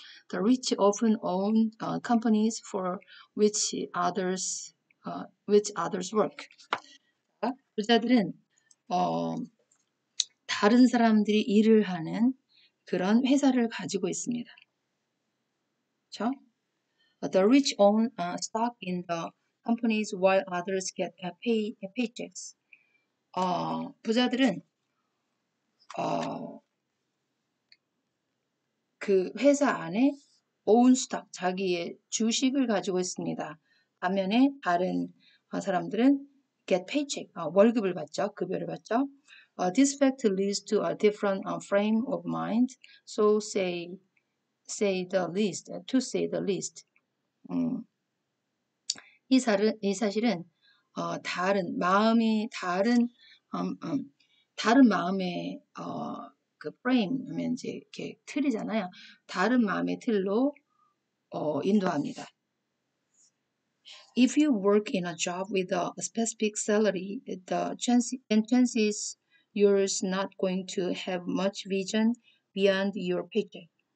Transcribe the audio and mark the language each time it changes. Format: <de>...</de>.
<en>The rich often own companies for which others, work.</en> <ko>부자들은 다른 사람들이 일을 하는 그런 회사를 가지고 있습니다. 그렇죠?</ko> <en>The rich own stock in the companies while others get paychecks.</en> <ko>부자들은 그 회사 안에</ko> <en>own stock,</en> <ko>자기의 주식을 가지고 있습니다. 반면에 다른 사람들은</ko> <en>get paycheck,</en> <ko>월급을 받죠, 급여를 받죠.</ko> <en>This fact leads to a different frame of mind. So say the least, to say the least.</en> <ko>이 사실은 다른 마음이 다른 다른 마음의 그 프레임이면 이제 이렇게 틀이잖아요. 다른 마음의 틀로 인도합니다.</ko> <en>If you work in a job with a specific salary, the chances you're not going to have much vision beyond your paycheck.</en>